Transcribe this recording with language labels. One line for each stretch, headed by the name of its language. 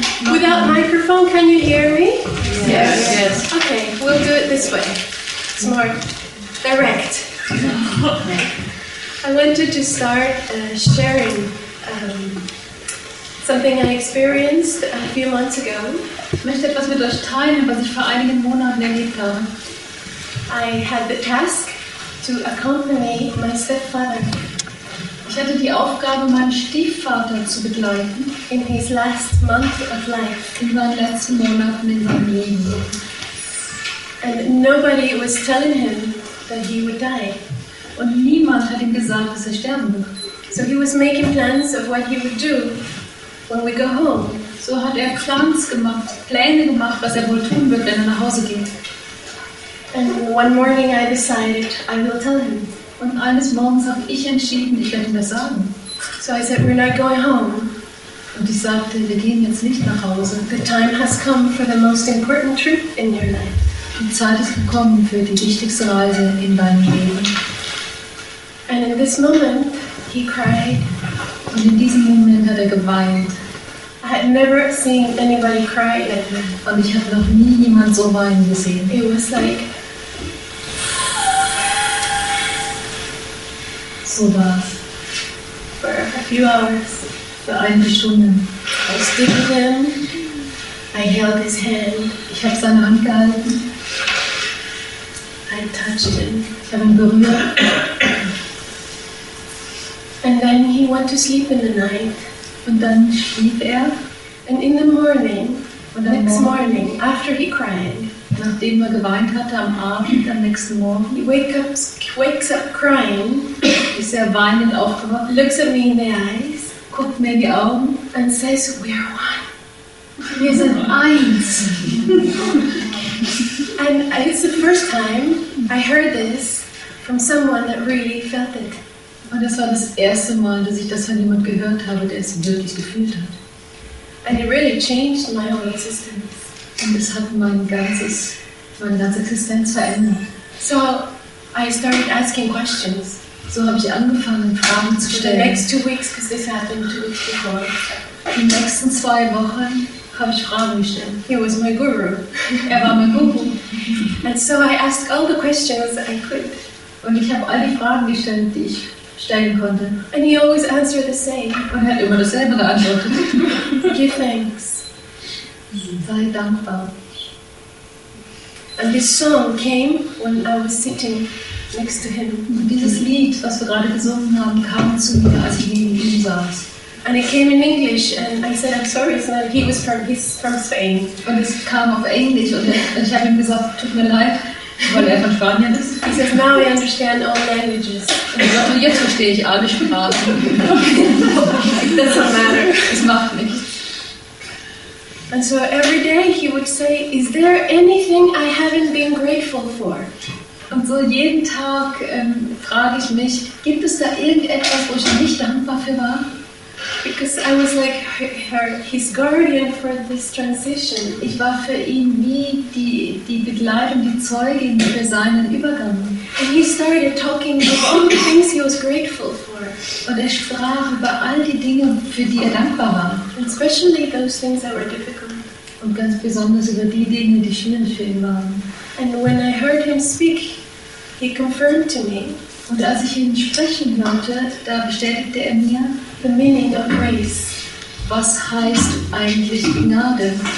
English: Without microphone, can you hear me? Yes. Okay, we'll do it this way. It's more direct. I wanted to start sharing something I experienced a few months ago.
German: Ich möchte etwas mit euch teilen, was ich vor einigen Monaten erlebt habe.
English: I had the task to accompany my stepfather.
German: Ich hatte die Aufgabe, meinen Stiefvater zu begleiten
English: in his last month of life,
German: in seinen letzten Monaten in seinem Leben.
English: And nobody was telling him that he would die.
German: Und niemand hat ihm gesagt, dass er sterben wird.
English: So he was making plans of what he would do when we go home.
German: So hat er Pläne gemacht, was er wohl tun wird, wenn er nach Hause geht.
English: And one morning I decided I will tell him.
German: Und eines Morgens habe ich entschieden, ich werde ihm das sagen.
English: So I said, we're not going home.
German: Und ich sagte, wir gehen jetzt nicht nach Hause.
English: The time has come for the most important trip in your life.
German: Die Zeit ist gekommen für die wichtigste Reise in deinem Leben.
English: And in this moment, he cried.
German: Und in diesem Moment hat er geweint.
English: I had never seen anybody cry like that.
German: Und ich habe noch nie jemanden so weinen gesehen.
English: It was like
German: so was.
English: For a few hours.
German: Für einige Stunden.
English: I stood with him. I held his hand.
German: Ich habe seine Hand gehalten.
English: I touched him.
German: Ich habe ihn berührt.
English: And then he went to sleep in the night.
German: Und dann schlief er.
English: And in the morning,
German: und am
English: next morning, after he cried,
German: nachdem er geweint hatte am Abend, am nächsten Morgen,
English: he wakes up crying,
German: ist er weinend aufgewacht,
English: looks at me in the eyes,
German: guckt mir in die Augen,
English: and says, we are one.
German: Wir sind eins.
English: And it's the first time I heard this from someone that really felt it.
German: Und das war das erste Mal, dass ich das von jemandem gehört habe, der es wirklich gefühlt hat.
English: And it really changed my whole existence.
German: Und es hat meine ganze Existenz verändert.
English: So I started asking questions.
German: So habe ich angefangen, Fragen zu stellen.
English: The next 2 weeks, because this happened 2 weeks before.
German: Die nächsten zwei Wochen habe ich Fragen gestellt.
English: He was my guru.
German: Er war mein Guru.
English: And so I asked all the questions I could.
German: Und ich habe alle Fragen gestellt, die ich stellen konnte.
English: And he always answered the same.
German: Und er hat immer dasselbe geantwortet.
English: Give thanks.
German: Sei dankbar.
English: And this song came when I was sitting next to him.
German: Und dieses Lied, was wir gerade gesungen haben, kam zu mir, als ich neben ihm saß.
English: And it came in English, and I said, I'm sorry, so he was from Spain.
German: Und es kam auf Englisch, und ich habe ihm gesagt, tut mir leid, weil er von Spanien ist.
English: He says, now I understand all languages.
German: Und jetzt verstehe ich alle Sprachen.
English: It doesn't matter.
German: Es macht nichts.
English: And so every day he would say, is there anything I haven't been grateful for?
German: Und so jeden Tag frage ich mich, gibt es da irgendetwas, wo ich nicht dankbar für war?
English: Because I was like his guardian for this transition.
German: Ich war für ihn wie die Begleitung, die Zeugin für seinen Übergang.
English: And he started talking about all the things he was grateful for.
German: Und er sprach über all die Dinge, für die er dankbar war.
English: And especially those things that were difficult.
German: Und ganz besonders über die Dinge, die schwierig für ihn waren.
English: And when I heard him speak, he confirmed to me.
German: Und als ich ihn sprechen hörte, da bestätigte er mir,
English: the meaning of grace.
German: Was heißt eigentlich Gnade?